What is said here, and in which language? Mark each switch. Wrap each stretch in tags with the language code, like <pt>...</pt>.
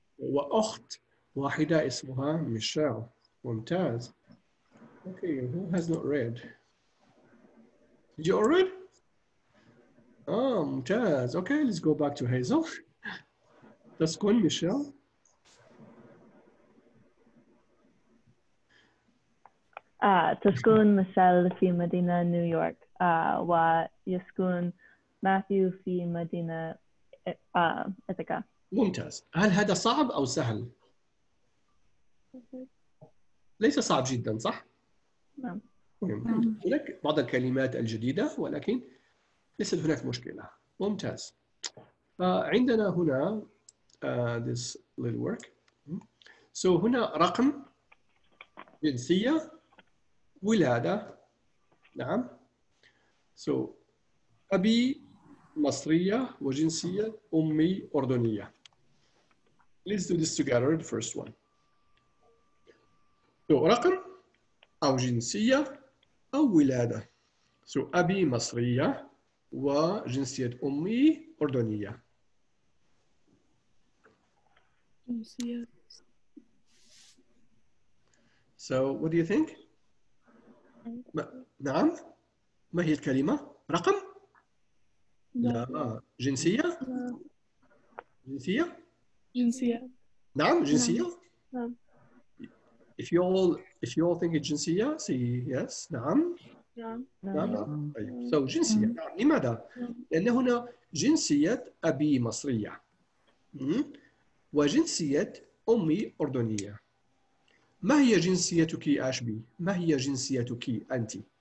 <ar>وأخت واحدة اسمها ميشيل ممتاز</ar> <en>okay who has not read did you all read oh ممتاز okay let's go back to Hazel</en> <ar>تسكن ميشيل تسكن ميشيل في مدينة نيويورك ويسكن ماثيو في مدينة إيثيكا. ممتاز. هل هذا صعب أو سهل؟ ليس صعب جداً صح؟ نعم. هناك بعض الكلمات الجديدة ولكن ليس هناك مشكلة. ممتاز. عندنا هنا</ar> <en>this little work.</en> <ar>So هنا رقم جنسية ولادة. نعم. So أبي مصرية وجنسية أمي أردنية.</ar> <en>Let's do this together, the first one.</en> <ar>So, رقم أو جنسية أو ولادة. So, أبي مصرية وجنسية أمي أردنية. جنسية.</ar> <en>So, what do you think?</en> <ar>نعم؟ ما هي الكلمة؟ رقم؟ لا. جنسية؟ جنسية؟ جنسية. نعم جنسية. نعم.</ar> <en>If you all think it's جنسية, say yes.</en> <ar>نعم. نعم. نعم. طيب. So جنسية. نعم. لماذا؟ لأن هنا جنسية أبي مصرية. وجنسية أمي أردنية. ما هي جنسيتك أشبي؟ ما هي جنسيتك أنت؟</ar>